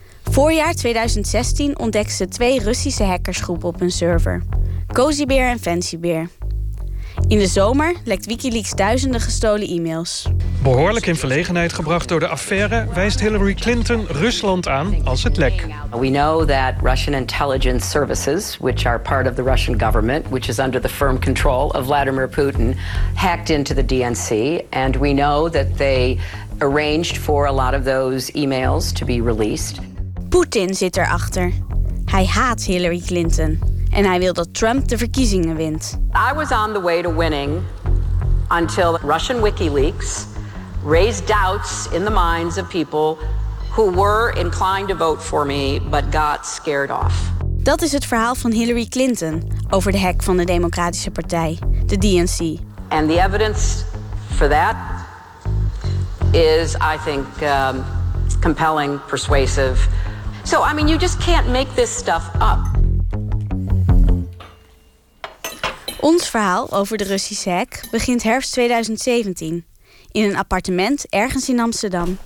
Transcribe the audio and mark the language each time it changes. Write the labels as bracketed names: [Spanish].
[Dutch] Voorjaar 2016 ontdekten ze twee Russische hackersgroepen op hun server. Cozy Bear en Fancy Bear. In de zomer lekt WikiLeaks duizenden gestolen e-mails. Behoorlijk in verlegenheid gebracht door de affaire wijst Hillary Clinton Rusland aan als het lek. [English] We know that Russian intelligence services, which are part of the Russian government, which is under the firm control of Vladimir Putin, hacked into the DNC, and we know that they arranged for a lot of those emails to be released. [Dutch] Putin zit erachter. Hij haat Hillary Clinton. En hij wil dat Trump de verkiezingen wint. [English] I was on the way to winning until Russian WikiLeaks raised doubts in the minds of people who were inclined to vote for me, but got scared off. [Dutch] Dat is het verhaal van Hillary Clinton over de hack van de Democratische Partij, de DNC. [English] And the evidence for that is, I think, compelling, persuasive. So, I mean, you just can't make this stuff up. [Dutch] Ons verhaal over de Russische hack begint herfst 2017 in een appartement ergens in Amsterdam.